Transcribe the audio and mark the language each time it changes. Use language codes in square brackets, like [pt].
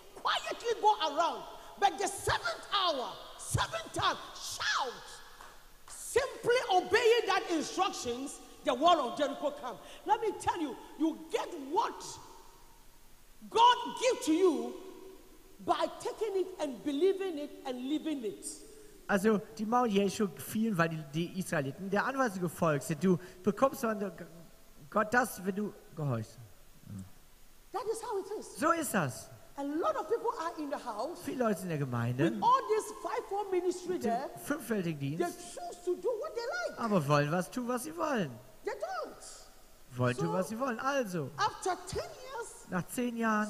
[en] Quietly go around. But the 7th hour. 7 times, shout! Simply obeying that instructions, the wall of Jericho comes. Let me tell you, you get what God gives to you by taking it and believing it and living it. [de] Also, die Mauer Jericho fielen, weil die Israeliten der Anweisung gefolgt sind. Du bekommst von Gott das, wenn du gehorchst. [en] That is how it is. [de] So ist das. [en] A lot of people are in the house. [de] Viele Leute in der Gemeinde. [en] With all this 5-4 ministry there. [de] Fünffältigen Dienst. [en] They choose to do what they like. [de] Aber wollen was tun, was sie wollen. [en] They don't. [de] Wollen tun, was sie wollen. Also. [en] After 10 years. [de] Nach 10 Jahren.